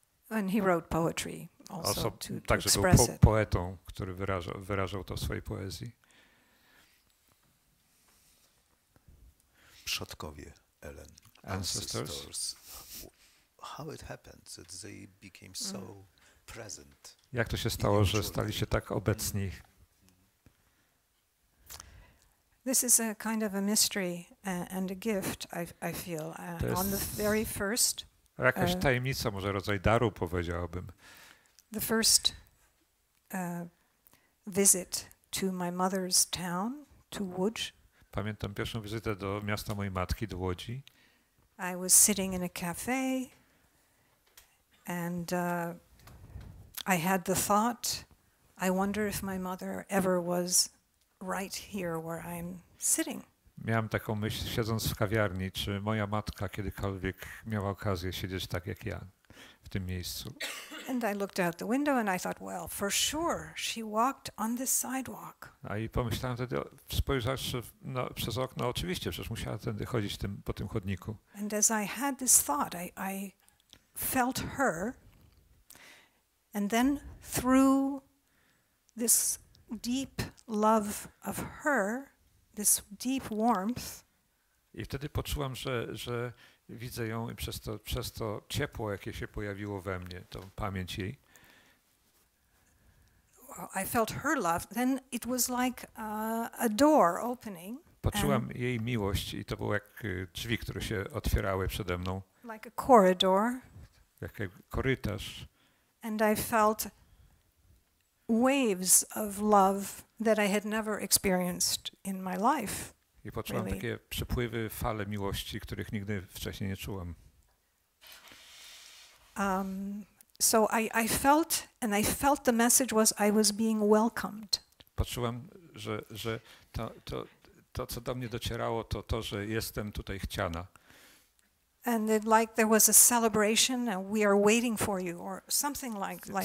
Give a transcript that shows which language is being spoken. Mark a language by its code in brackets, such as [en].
[en] And he wrote poetry also [pl] także był poetą, który wyrażał to w swojej poezji. Przodkowie Ellen. [en] Ancestors. How it happened that they became so present. [pl] Jak to się stało, że stali się tak obecni? [en] This is a kind of a mystery and a gift, I feel, on the very first. [pl] Jakaś tajemnica, może rodzaj daru, powiedziałabym. [en] The first visit to my mother's town, to Łódź. [pl] Pamiętam pierwszą wizytę do miasta mojej matki, do Łodzi. [en] I was sitting in a cafe and I had the thought, I wonder if my mother ever was right here where I'm sitting. [pl] Miałem taką myśl, siedząc w kawiarni, czy moja matka kiedykolwiek miała okazję siedzieć tak jak ja w tym miejscu. [en] And I looked out the window and I thought, well, for sure, she walked on this sidewalk. [pl] A i pomyślałem wtedy, spojrzawszy przez okno, oczywiście, przecież musiała tędy chodzić po tym chodniku. [en] And as I had this thought, I felt her. And then through this deep love of her, this deep warmth. [pl] I wtedy poczułam, że widzę ją i przez to ciepło, jakie się pojawiło we mnie, tą pamięć jej. [en] Well, I felt her love, then it was like a door opening. [pl] Poczułam jej miłość i to było jak drzwi, które się otwierały przede mną. [en] Like a corridor. [pl] Jak korytarz. [en] And I felt waves of love that I had never experienced in my life. [pl] I poczułam takie przepływy, fale miłości, których nigdy wcześniej nie czułam. [en] So I felt, and I felt the message was I was being welcomed. [pl] Poczułam, że to co do mnie docierało, to że jestem tutaj chciana. [en] And it, like there was a celebration, and we are waiting for you, or something like